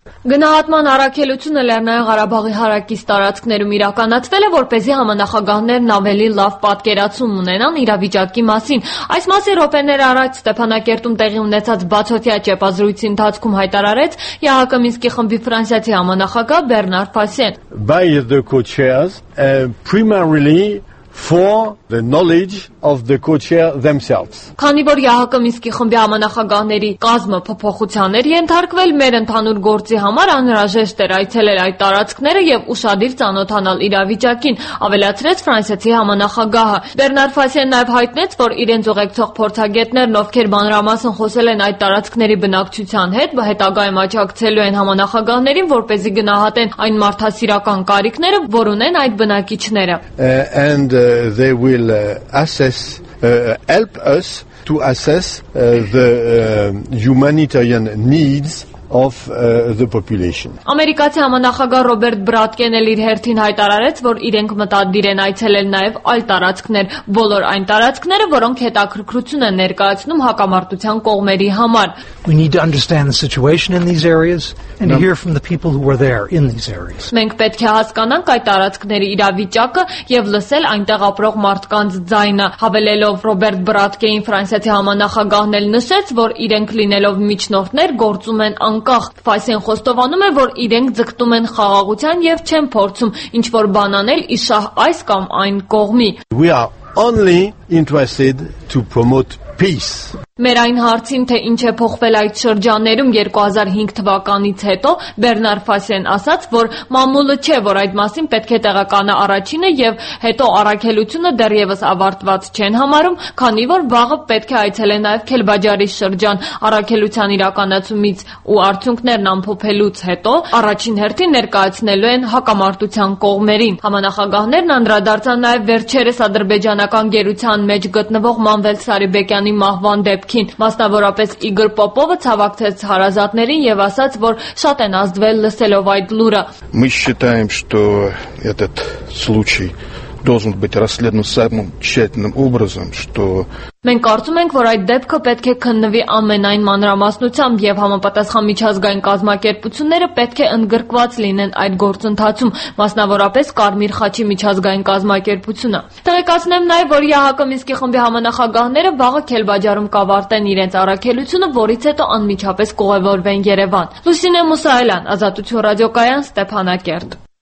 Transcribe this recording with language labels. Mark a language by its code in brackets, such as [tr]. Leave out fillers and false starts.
[hy] Գնահատման առաքելությունը Լեռնային Ղարաբաղի հարակից տարածքներում իրականացվել է, որպեսզի համանախագահներն ավելի լավ պատկերացում ունենան իրավիճակի մասին։ Այս մասին րոպեներ առաջ Ստեփանակերտում տեղի ունեցած բացօթյա ճեպազրույցի ընթացքում հայտարարեց ԵԱՀԿ Մինսկի խմբի ֆրանսիացի համանախագահ Բերնար Փասիեն. [en] For the knowledge of the co-chair themselves. [hy] Քանի որ ԵԱՀԿ Մինսկի խմբի համանախագահների կազմը փոփոխության էր ենթարկվել, մեր ընդհանուր գործի համար անհրաժեշտ էր այցելել այդ տարածքները և ուսադիր ծանոթանալ իրավիճակին, ավելացրեց ֆրանսիացի համանախագահը։ Բերնար Փասիեն նաև հայտնեց, որ իրենց ուղեկցող փորձագետներն, ովքեր բանրամասն խոսել են այդ տարածքների բնակչության հետ, հետագայում աջակցելու են համանախագահներին, որպեսզի գնահատեն այն մարդասիրական կարիքները, որ ունեն այդ բնակիչները։ [en] They will assess, help us to assess the humanitarian needs of the population. [hy] Ամերիկացի համանախագահ Ռոբերտ Բրադկենը իր հերթին հայտարարեց, որ իրենք մտադիր են այցելել նաև այլ տարածքներ, բոլոր այն տարածքները, որոնք հետաքրքրություն են ներկայացնում հակամարտության կողմերի համար. [en] We need to understand the situation in these areas and to hear from the people who were there in these areas. [hy] Մենք պետք է հասկանանք այդ տարածքների իրավիճակը եւ լսել այնտեղ ապրող մարդկանց ձայնը, հավելելով Ռոբերտ Բրադկեին ֆրանսիացի համանախագահն էլ նշեց, որ իրենք լինելով միջնորդներ գործում են անկախ, Փասիեն խոստովանում է, որ իրենք ձգտում են խաղաղության և չեն փորձում ինչ-որ բան անել իշահ այս կամ այն կողմի։ [en] We are only interested to promote peace. [hy] Մեր այն հարցին, թե ինչ է փոխվել այդ շրջաններում 2005 թվականից հետո, Բերնար Փասիեն ասաց, որ մամուլը չէ, որ այդ մասին պետք է տեղականը առաջինը և հետո առաքելությունը դեռևս ավարտված չեն համարում, քանի որ վաղը պետք է այցելեն նաև Քելբաջարի շրջան առաքելության իրականացումից ու արդյունքներն ամփոփելուց հետո առաջին հերթին ներկայացնելու են հակամարտության կողմերին։ Համանախագահներն անդրադարձան նաև վերջերս ադրբեջանական գերության մեջ գտնվող Մանվել Սարիբեկյանի մահվան դեպքին, մասնավորապես Իգոր Պոպովը ցավակցեց հարազատներին եւ ասաց, որ շատ են ազդվել լսելով այդ լուրը։ [ru] Мы считаем, что этот случай должен быть расследован самым тщательным образом, что [hy] Մենք կարծում ենք, որ այդ դեպքը պետք է քննվի ամենայն մանրամասնությամբ եւ համապատասխան միջազգային կազմակերպությունները պետք է ընդգրկված լինեն այդ գործընթացում, մասնավորապես Կարմիր խաչի միջազգային կազմակերպությունը։ Տեղեկացնեմ նաեւ, որ ԵԱՀԿ Մինսկի խմբի համանախագահները վաղը Քելբաջարում կավարտեն իրենց առաքելությունը, որից հետո անմիջապես կուղևորվեն Երևան։ Լուսինե Մուսայելյան, Ազատություն ռադիոկայան, Ստեփանակերտ։